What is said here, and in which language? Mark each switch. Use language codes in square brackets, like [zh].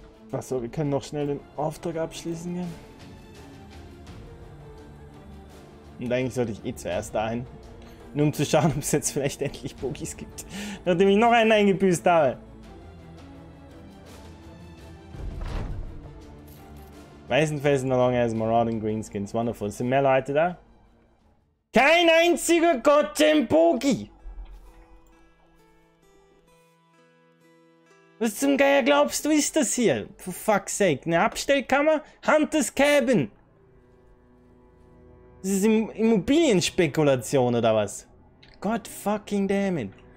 [de] Achso, wir können noch schnell den Auftrag abschließen gehen. Und eigentlich sollte ich eh zuerst dahin. Nur um zu schauen, ob es jetzt vielleicht endlich Bogies gibt. Nachdem ich noch einen eingebüßt habe. [en] Weißenfels no longer has marauding green skins. Wonderful. [de] Sind mehr Leute da? Kein einziger Gott im Bogie! Was zum Geier glaubst du ist das hier? [en] For fuck's sake. [de] Eine Abstellkammer? Hunter's Cabin! Das ist Immobilienspekulation oder was? [en] God fucking damn it.